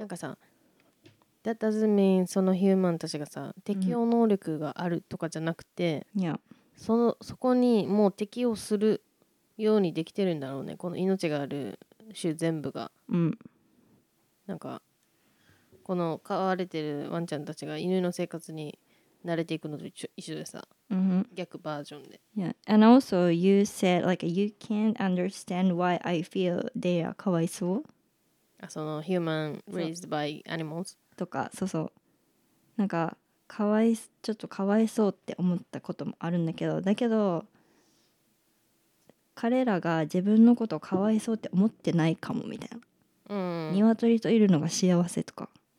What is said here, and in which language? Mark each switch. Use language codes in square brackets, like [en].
[ja] なんかさ、 [en] That doesn't mean [ja] そのヒューマンたちがさ、適応能力があるとかじゃなくて、そこにもう適応するようにできてるんだろうね。この命がある種全部が。なんか、この飼われてるワンちゃんたちが犬の生活に慣れていくのと一緒でさ、逆バージョンで。 [en] Yeah. And also you said like you can't understand why I feel they are [ja] かわいそう。 [en] そのヒューマン raised by animals [ja] とか、そうそう、なんかかわい、ちょっとかわいそうって思ったこともあるんだけど、だけど彼らが自分のことをかわいそうって思ってないかもみたいな。鶏といるのが幸せとか、